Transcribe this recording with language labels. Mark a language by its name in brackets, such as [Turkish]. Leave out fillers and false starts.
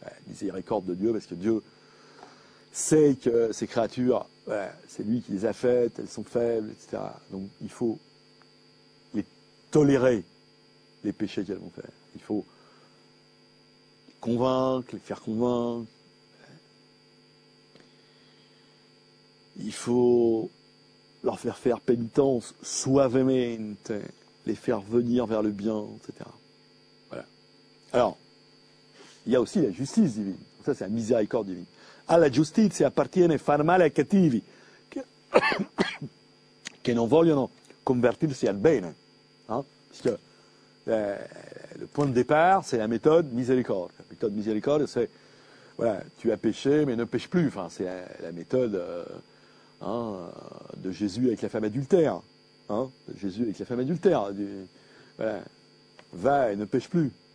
[Italian] Misericordia di Dio, perché Dio sa che queste creature, c'è lui che le ha fatte, [French] elles sont faibles, etc. Donc il faut les tolérer, les péchés qu'elles vont faire. Il faut convaincre, les faire convaincre. Il faut leur faire faire pénitence suavement, les faire venir vers le bien, etc. Voilà. Alors, il y a aussi la justice divine. Ça, c'est la miséricorde divine. À la justice, il appartient à [Italian] far male ai cattivi, che non vogliono convertirsi al bene. [French] Hein? Puisque le point de départ, c'est la méthode miséricorde. La méthode miséricorde, c'est voilà, tu as péché, mais ne pêche plus. Enfin, c'est la méthode de Jésus avec la femme adultère. Hein, de Jésus avec la femme adultère. Voilà, va et ne pêche plus.